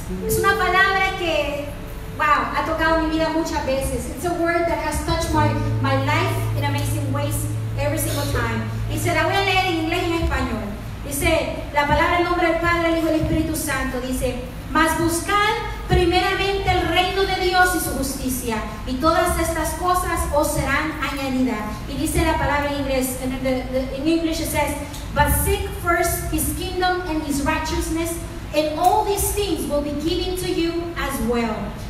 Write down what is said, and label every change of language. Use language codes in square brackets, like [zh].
[es] Es una palabra que, wow, ha tocado mi vida muchas veces. [en] It's a word that has touched my life in amazing ways every single time. [es] Y se la voy a leer en inglés y en español. Dice, la palabra, en nombre del Padre, el Hijo y el Espíritu Santo, dice: mas buscad primeramente el reino de Dios y su justicia, y todas estas cosas os serán añadidas. Y dice la palabra en inglés, [en] in English it says, but seek first his kingdom and his righteousness, and all these things will be given to you as well.